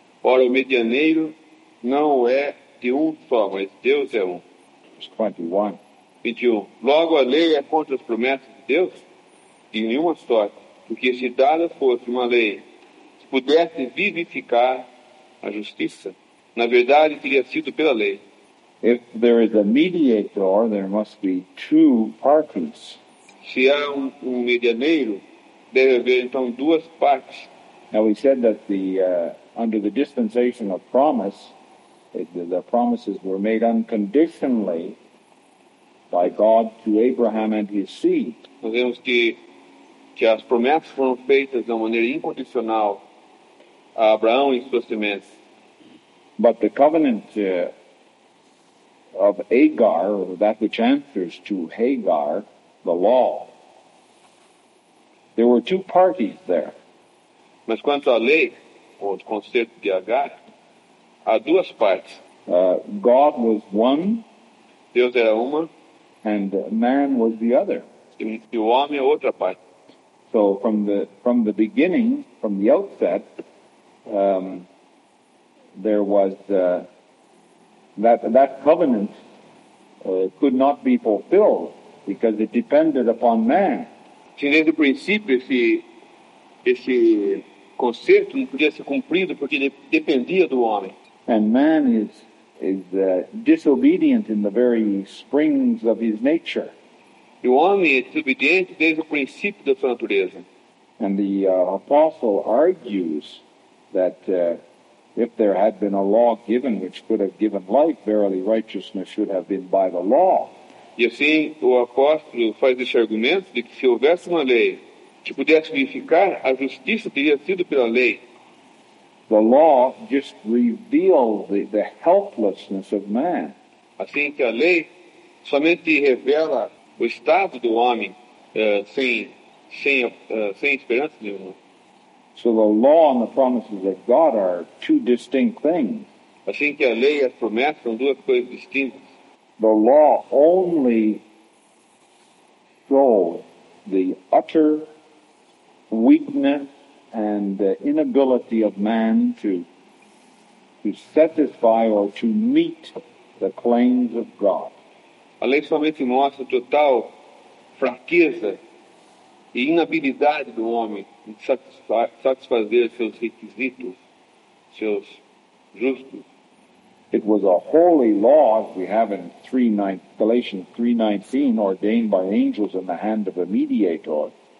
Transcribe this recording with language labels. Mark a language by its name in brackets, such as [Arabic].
[Portuguese] Ora, o medianeiro não é de só, mas Deus é [English] Verse 21. [Portuguese] Logo, a lei é contra as promessas de Deus? De nenhuma sorte. Porque se dada fosse uma lei, se pudesse vivificar a justiça, na verdade, teria sido pela lei. [English] If there is a mediator, there must be two parties. [Portuguese] Se há um medianeiro, deve haver, então, duas partes. [English] Now, we said that under the dispensation of promise, the promises were made unconditionally by God to Abraham and his seed. [Portuguese] Nós vemos que as promessas foram feitas de uma maneira incondicional a Abraão e suas sementes. [English] But the covenant of Agar, or that which answers to Hagar, the law, there were two parties there. [Portuguese] Mas quanto à lei, ou ao concerto de Agar, há duas partes. [English] God was one. [Portuguese] Deus era uma. [English] And man was the other. [Portuguese] E o homem é outra parte. [English] So from the beginning, from the outset, there was that covenant could not be fulfilled because it depended upon man. [Portuguese] Sim, desde o princípio, esse concerto não podia ser cumprido porque dependia do homem. [English] And man is disobedient in the very springs of his nature. [Portuguese] O homem é desobediente desde o princípio da sua natureza. [English] And the apostle argues that if there had been a law given which could have given life, verily righteousness should have been by the law. [Portuguese] E assim, o apóstolo faz esse argumento de que se houvesse uma lei que pudesse vivificar, a justiça teria sido pela lei. [English] The law just revealed the helplessness of man. [Portuguese] Assim que a lei somente revela o estado do homem sem esperança nenhuma. [English] So the law and the promises of God are two distinct things. [Portuguese] Assim que a lei e as promessas são duas coisas distintas. [English] The law only shows the utter weakness and the inability of man to satisfy or to meet the claims of God. [Portuguese] A lei somente mostra a total fraqueza e inabilidade do homem em satisfazer seus requisitos, seus justos. [English] It was a holy law, as we have in Galatians 3:19, ordained by angels in the hand of a mediator.